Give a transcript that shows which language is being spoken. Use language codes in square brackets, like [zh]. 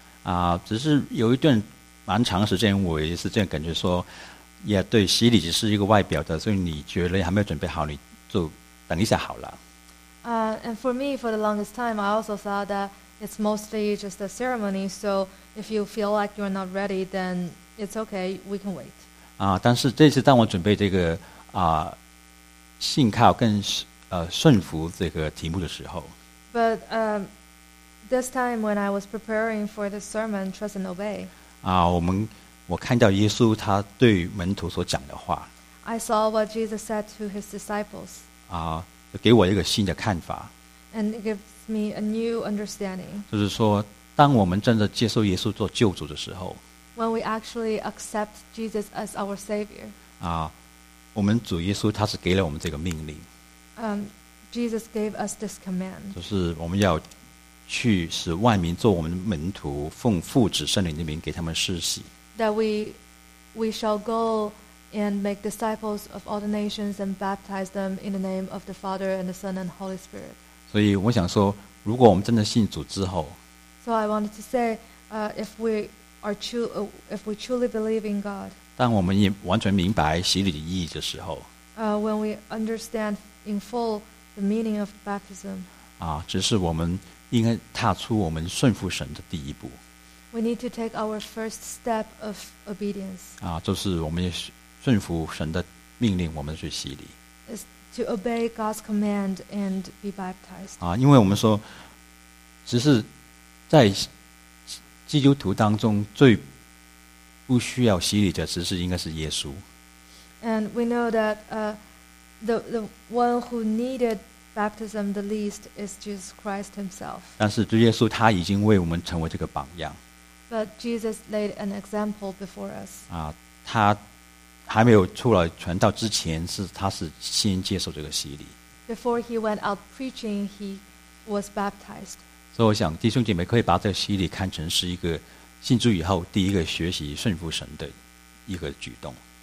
[zh] 啊，只是有一段蛮长时间，我也是这样感觉说，也对，洗礼只是一个外表的，所以你觉得还没有准备好，你就等一下好了。 [en] And for me, for the longest time, I also thought that it's mostly just a ceremony. So if you feel like you're not ready, then it's okay. We can wait. [zh] 啊，但是这次当我准备这个。啊，信靠跟顺服这个题目的时候。 [en] But this time when I was preparing for the sermon, trust and obey. [zh] 啊，我看到耶稣他对门徒所讲的话。 [en] I saw what Jesus said to his disciples. [zh] 啊，给我一个新的看法。 [en] And it gives me a new understanding. [zh] 就是说，当我们真的接受耶稣做救主的时候。 [en] When we actually accept Jesus as our Savior. 啊。 [zh] 我们主耶稣他是给了我们这个命令。 [en] Jesus gave us this command. [zh] 就是我们要去使万民做我们的门徒，奉父、子、圣灵的名给他们施洗。 [en] That we shall go and make disciples of all the nations and baptize them in the name of the Father and the Son and Holy Spirit. [zh] 所以我想说，如果我们真的信主之后 [en] ，So I wanted to say, if we truly believe in God. [zh] 当我们也完全明白洗礼的意义的时候 [en] When we understand in full the meaning of baptism [zh] 啊，只是我们应该踏出我们顺服神的第一步 [en] We need to take our first step of obedience [zh] 啊，就是我们顺服神的命令我们去洗礼 [en] Is to obey God's command and be baptized [zh] 啊，因为我们说只是在基督徒当中最不需要洗礼的，只是应该是耶稣。 [en] And we know that the one who needed baptism the least is Jesus Christ himself. [zh] 但是耶稣他已经为我们成为这个榜样。 [en] But Jesus laid an example before us. [zh] 啊，他还没有出来传道之前，是他是先接受这个洗礼。 [en] Before he went out preaching, he was baptized. [zh] 所以我想弟兄姐妹可以把这个洗礼看成是一个信主以后第一个学习顺服神的一个举动。